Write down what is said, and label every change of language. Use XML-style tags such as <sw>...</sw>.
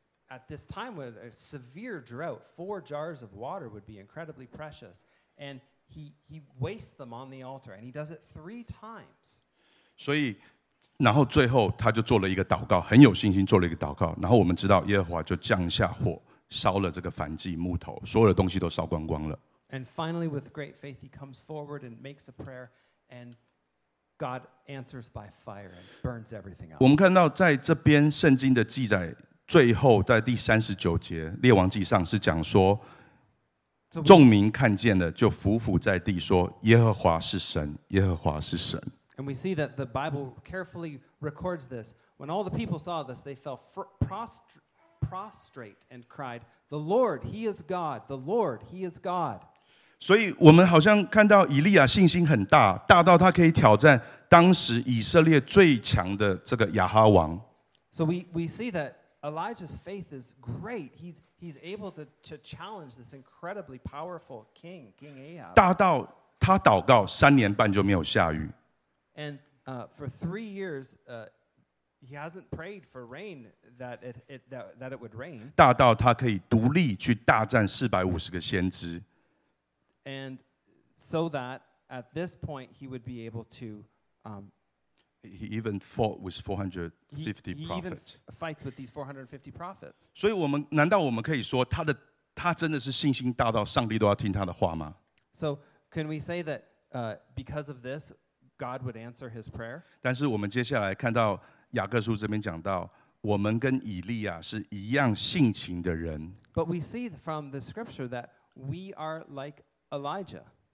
<en>At this time, with a severe drought, four jars of water would be incredibly precious. And he wastes them on the altar, and he does it three times.</en> <zh>所以，然后最后他就做了一个祷告，很有信心做了一个祷告。然后我们知道耶和华就降下火，烧了这个燔祭木头，所有的东西都烧光光了。</zh> <en>And finally, with great faith, he comes forward and makes a prayer, and God answers by fire and burns everything up.</en> <zh>我们看到在这边圣经的记载。最后在第39节列王记上是讲说众民看见了就伏伏在地说耶和华是神耶和华是神</zh> <en>And we see that the Bible carefully records this. When all the people saw this, they fell prostrate and cried, The Lord, he is God. The Lord, he is God.</en> <zh>所以我们好像看到以利亚信心很大大到他可以挑战当时以色列最强的这个亚哈王</zh> <en>So we see thatElijah's faith is great. He's able to challenge this incredibly powerful king, King Ahab.</en> <zh>大到他祷告三年半就没有下雨。</zh> <en>And for 3 years, he hasn't prayed for rain that it would rain.</en> <zh>大到他可以独立去大战450个先知。</zh> <en>And so that at this point he would be able to. He even fought with 450 prophets. He even fights with these 450 prophets.</en> <zh>所以我们难道我们可以说他真的是信心大到上帝都要听他的话吗</zh> <en>？So can we say that because of this, God would answer his prayer?</en> <zh>但是我们接下来看到雅各书这边讲到，我们跟以利亚是一样性情的人。</zh> <en>But we see from the scripture that we are like Elijah.</en>